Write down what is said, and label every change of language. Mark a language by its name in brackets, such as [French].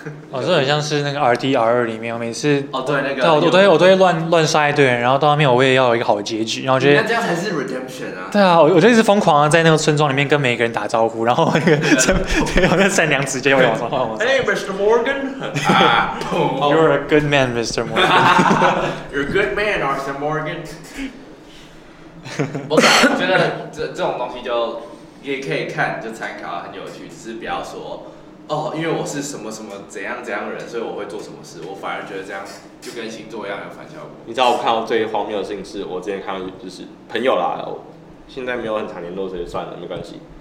[Chinese] 哦，这很像是那个 RDR2 里面，我每次哦对那个，对，我都会乱杀一堆人，然后到后面我也要有一个好的结局，然后觉得那这样才是 redemption 啊。对啊，我就一直疯狂的在那个村庄里面跟每一个人打招呼，然后那个对，我那善良直接又往上换。 [English] Hey, Mr. Morgan. You're a good man, Mr. Morgan. You're a good man, Arthur Morgan. [Chinese] 我觉得这种东西就也可以看，就参考，很有趣。只是不要说哦，因为我是什么什么怎样怎样的人，所以我会做什么事。我反而觉得这样就跟星座一样有反效果。你知道我看到最荒谬的事情是，我之前看到就是朋友啦，我现在没有很常联络，所以算了，没关系。